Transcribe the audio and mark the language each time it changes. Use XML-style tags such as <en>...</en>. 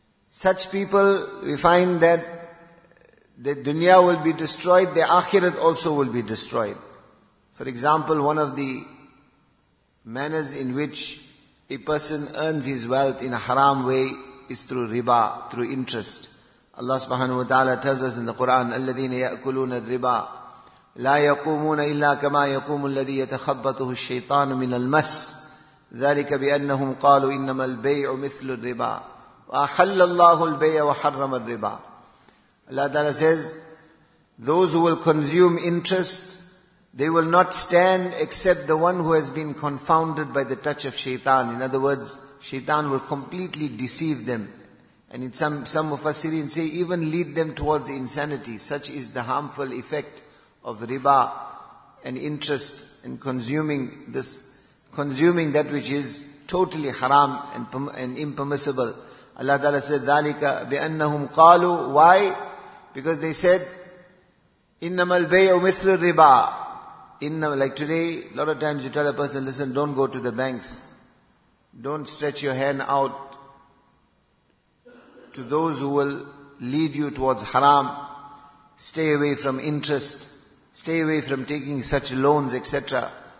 <en>Such people, we find that the dunya will be destroyed, the akhirat also will be destroyed. For example, one of the manners in which a person earns his wealth in a haram way is through riba, through interest. Allah subhanahu wa ta'ala tells us in the Quran,</en> <ar>الَّذِينَ يَأْكُلُونَ الرِّبَا لَا يَقُومُونَ إِلَّا كَمَا يَقُومُ الَّذِي يَتَخَبَّطُهُ الشَّيْطَانُ مِنَ الْمَسِ ذَلِكَ بِأَنَّهُمْ قَالُوا إِنَّمَا الْبَيْعُ مِثْلُ الرِّبَا وَأَخَلَّ اللَّهُ الْبَيْعَ وَحَرَّمَ الرِّبَا.</ar> <en>Allah ta'ala says, those who will consume interest, they will not stand except the one who has been confounded by the touch of shaitan. In other words, shaitan will completely deceive them. And in some of us Syrians say, even lead them towards insanity. Such is the harmful effect of riba and interest and consuming that which is totally haram and impermissible. Allah Ta'ala said,</en> <ar>ذَلِكَ بِأَنَّهُمْ قَالُوا.</ar> <en>Why? Because they said,</en> <ar>إِنَّمَا الْبَيْعُ مِثْلُ الرِّبَا.</ar> <en>Like today, a lot of times you tell a person, listen, don't go to the banks. Don't stretch your hand out to those who will lead you towards haram. Stay away from interest. Stay away from taking such loans, etc.</en>